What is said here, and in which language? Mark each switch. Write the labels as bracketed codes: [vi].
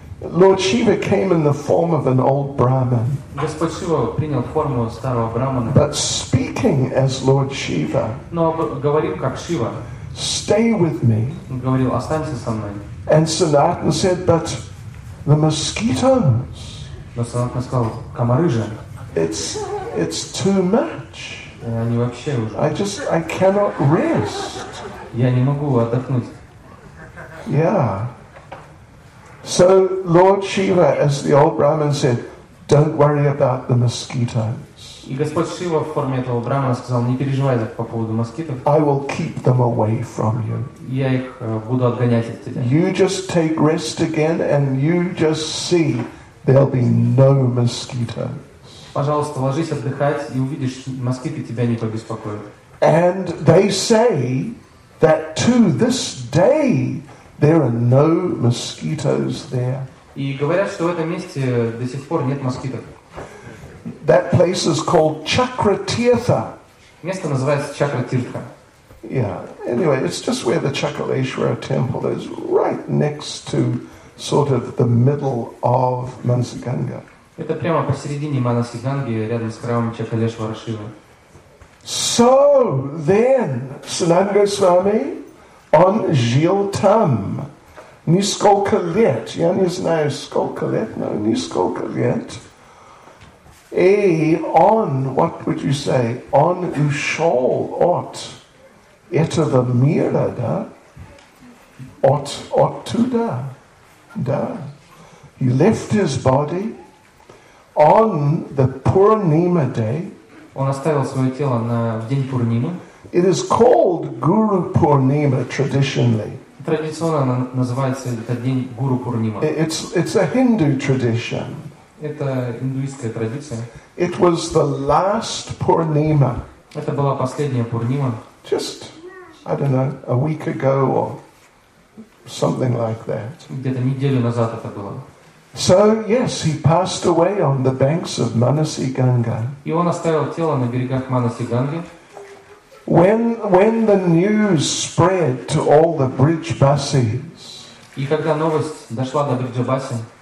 [en] Lord Shiva came in the form of an old Brahman. [ru] Господь Шива принял форму старого брахмана. [en] But speaking as Lord Shiva. [ru] Но говорил как Шива. [en] Stay with me. [ru] Говорил, останься со мной. [en] And Sanatan said, but the mosquitoes. [ru] Но Санатан сказал, комары же. [en] It's too much. [ru] Они вообще уже. [en] I cannot rest. [ru] Я не могу отдохнуть. [en] Yeah. So Lord Shiva, as the old Brahman said, don't worry about the mosquitoes. [ru] И Господь Шива в форме этого брахмана сказал, не переживай по поводу москитов. [en] I will keep them away from you. [ru] Я их буду отгонять от тебя. [en] You just take rest again, and you just see there'll be no mosquitoes. [ru] Пожалуйста, ложись отдыхать, и увидишь, москиты тебя не побеспокоят. [en] And they say that to this day. There are no mosquitoes there. [ru] И говорят, что в этом месте до сих пор нет москитов. [en] That place is called Chakratirtha. [ru] Место называется Чакратирха. [en] Yeah. Anyway, it's just where the Chakaleshwara temple is, right next to sort of the middle of Manasi Ganga. [ru] Это прямо посередине Манаси Ганги, рядом с храмом Чакалешвара Шивы. [en] So then, Sanatan Goswami. [ru] On Jiltam, Nisколько лет, я не знаю, сколько лет, но Нисколько лет. [en] A on, what would you say, on Ushol, [ru] от этого мира, да? От оттуда, да? [en] He left his body on the Пурнима day. [ru] Он оставил свое тело на день Пурнимы. [en] It is called Guru Purnima traditionally. [ru] Традиционно она называется этот день Гуру Пурнима. [en] It's a Hindu tradition. [ru] Это индуистская традиция. [en] It was the last Purnima. [ru] Это была последняя Пурнима. [en] Just, I don't know, a week ago or something like that. [ru] Где-то неделю назад это было. [en] So yes, he passed away on the banks of Manasi Ganga. [ru] И он оставил тело на берегах Манаси Ганги. [en] When the news spread to all the bridge buses, [ru] и когда новость дошла до бриджабаси,